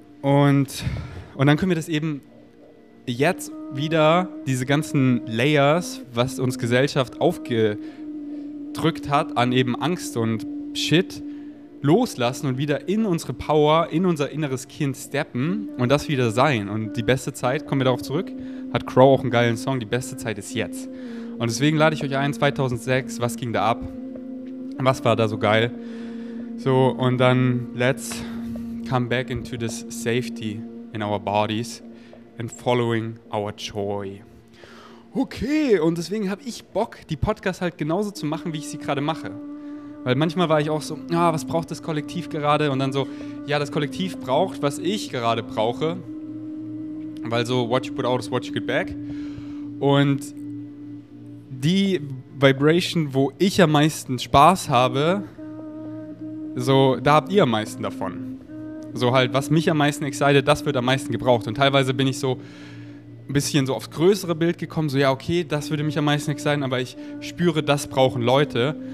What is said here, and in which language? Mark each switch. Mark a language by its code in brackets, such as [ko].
[de] Und dann können wir das eben jetzt wieder, diese ganzen Layers, was uns Gesellschaft aufgedrückt hat an eben Angst und Shit, loslassen und wieder in unsere Power, in unser inneres Kind steppen und das wieder sein. Und die beste Zeit, kommen wir darauf zurück, hat Crow auch einen geilen Song, die beste Zeit ist jetzt. Und deswegen lade ich euch ein, 2006, was ging da ab? Was war da so geil? So, und dann [en] let's come back into this safety in our bodies and following our joy. [de] Okay, und deswegen habe ich Bock, die Podcast halt genauso zu machen, wie ich sie gerade mache. Weil manchmal war ich auch so, ah, was braucht das Kollektiv gerade? Und dann so, ja, das Kollektiv braucht, was ich gerade brauche. Weil so, [en] what you put out is what you get back. [de] Und die Vibration, wo ich am meisten Spaß habe, so, da habt ihr am meisten davon. So halt, was mich am meisten excited, das wird am meisten gebraucht. Und teilweise bin ich so ein bisschen so aufs größere Bild gekommen, so ja, okay, das würde mich am meisten exciten, aber ich spüre, das brauchen Leute.